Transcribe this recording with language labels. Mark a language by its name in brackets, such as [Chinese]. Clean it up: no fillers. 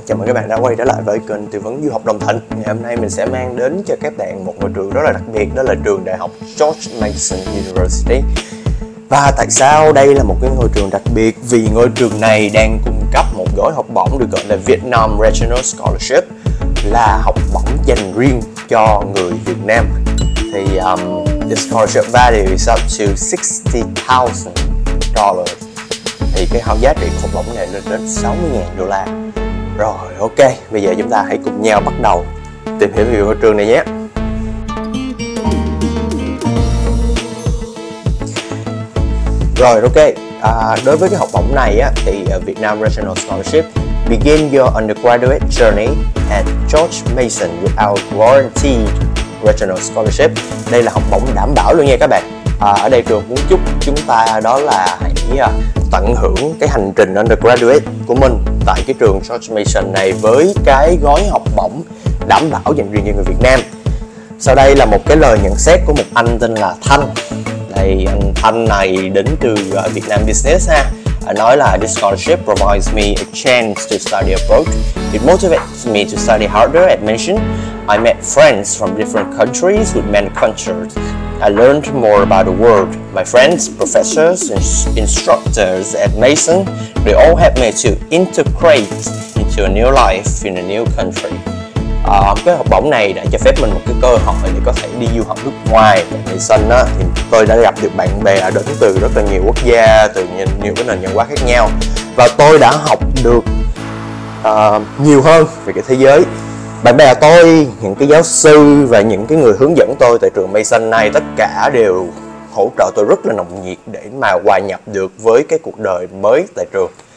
[Vietnamese] Chào mừng các bạn đã quay trở lại với kênh Tư vấn Du học Đồng Thịnh. Ngày hôm nay mình sẽ mang đến cho các bạn một ngôi trường rất là đặc biệt, đó là trường Đại học George Mason University. Và tại sao đây là một cái ngôi trường đặc biệt? Vì ngôi trường này đang cung cấp một gói học bổng được gọi là Vietnam Regional Scholarship, là học bổng dành riêng cho người Việt Nam. [English] Thì the scholarship value is up to $60,000. [Vietnamese] Thì cái giá trị học bổng này lên đến $60,000. Rồi, ok, bây giờ chúng ta hãy cùng nhau bắt đầu tìm hiểu về ngôi trường này nhé. Rồi, ok, đối với cái học bổng này á, thì [English] Vietnam Regional Scholarship begin your undergraduate journey at George Mason without guaranteed Regional Scholarship. [Vietnamese] Đây là học bổng đảm bảo luôn nha các bạn. Ở đây trường muốn chúc chúng ta đó là hãy tận hưởng cái hành trình undergraduate của mình tại cái trường George Mason này với cái gói học bổng đảm bảo dành riêng cho người Việt Nam. Sau đây là một cái lời nhận xét của một anh tên là Thanh. Đây, anh Thanh này đến từ Việt Nam Business ha. Nói là [English] this scholarship provides me a chance to study abroad. It motivates me to study harder at Mason. I met friends from different countries with many cultures. I learned more about the world. My friends, professors, and instructors at Mason, they all helped me to integrate into a new life in a new country. [Vietnamese] Cái học bổng này đã cho phép mình một cái cơ hội để có thể đi du học nước ngoài. Tại Mason á, thì tôi đã gặp được bạn bè đến từ rất là nhiều quốc gia, từ nhiều cái nền văn hóa khác nhau. Và tôi đã học được nhiều hơn về cái thế giới. Bạn bè tôi, những cái giáo sư và những cái người hướng dẫn tôi tại trường Mason này, tất cả đều hỗ trợ tôi rất là nồng nhiệt để mà hòa nhập được với cái cuộc đời mới tại trường.